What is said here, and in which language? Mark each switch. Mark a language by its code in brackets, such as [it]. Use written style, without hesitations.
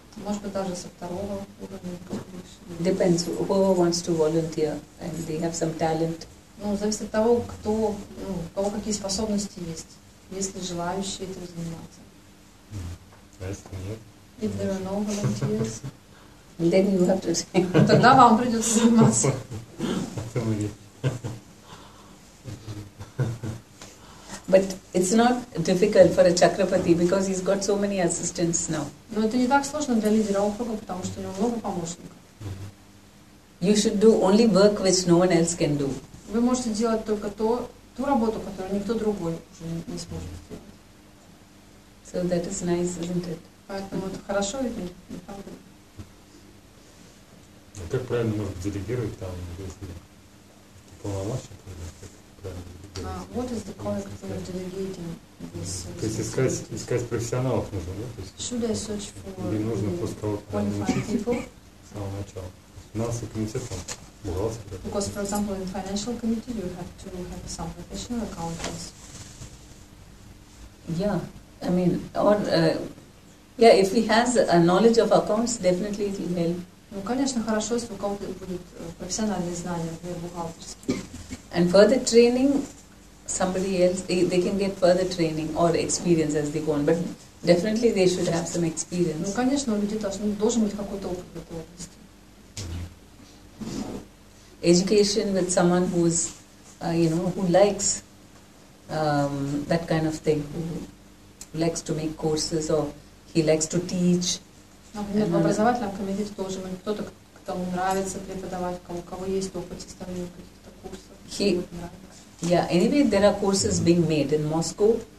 [ru] Может быть даже со второго уровня. [en] Depends, whoever wants to volunteer and they have some talent. [ru] Ну, зависит от того, кто, ну, у кого какие способности есть. Есть ли желающие этим заниматься? [en] If there are no volunteers, then you have to say. [ru] Тогда вам придется заниматься. [en] But it's not difficult for a Chakrapati because he's got so many assistants now. [ru] Но это не так сложно для лидера округа, потому что у него много помощников. [en] You should do only work which no one else can do. [ru] Вы можете делать только ту работу, которую никто другой уже не сможет сделать. [en] So that is nice, isn't it? [ru] Поэтому это хорошо, ведь не правда? А как правильно можно делегировать там, если полномочия, как правильно делегировать? [en] What is the correct way of delegating this? [ru] То есть искать профессионалов нужно, да? [en] Should I search for [ru] или нужно просто кого-то научить с самого начала? Финансовый комитет там, бухгалтер. [en] Because, for example, in financial committee you have to have some professional accountants. Yeah. I mean, or if he has a knowledge of accounts, definitely it will help. [ru] Ну, конечно, хорошо, если у кого-то будет профессиональные знания, например, бухгалтерские. [en] And further training, somebody else, they can get further training or experience as they go on. But definitely they should have some experience. [ru] Ну, конечно, у людей должен быть какой-то опыт в этой области. [en] Education with someone who's, who likes that kind of thing. Likes to make courses or he likes to teach. [ru] Например, в образовательном комитете должен быть кто-то, кому нравится преподавать, у кого есть опыт составления каких-то курсов. [en] Anyway, there are courses being made in Moscow.